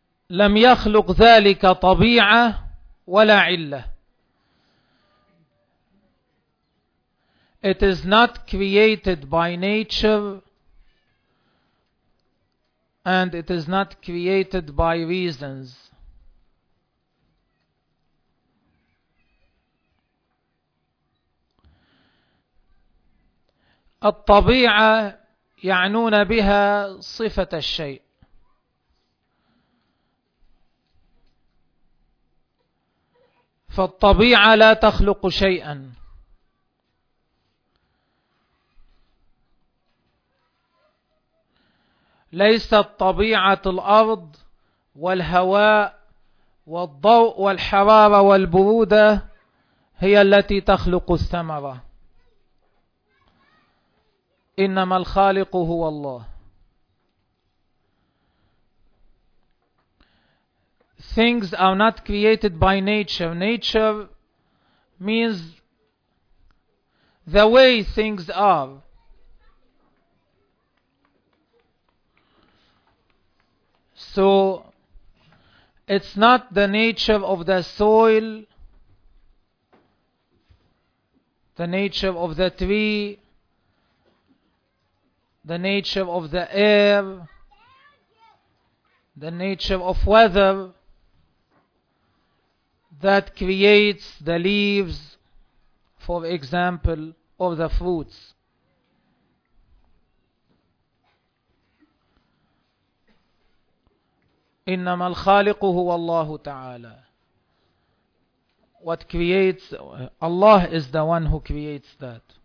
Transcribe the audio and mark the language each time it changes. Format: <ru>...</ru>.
<ar>لم يخلق ذلك طبيعة ولا علة.</ar> <en>It is not created by nature and it is not created by reasons.</en> <ar>الطبيعة يعنون بها صفة الشيء. فالطبيعة لا تخلق شيئا، ليست طبيعة الأرض والهواء والضوء والحرارة والبرودة هي التي تخلق الثمرة، إنما الخالق هو الله.</ar> <en>Things are not created by nature. Nature means the way things are. So it's not the nature of the soil, the nature of the tree, the nature of the air, the nature of weather that creates the leaves, for example, or the fruits.</en> <ar>إنما الخالق هو الله تعالى.</ar> <en>What creates, Allah is the one who creates that.</en>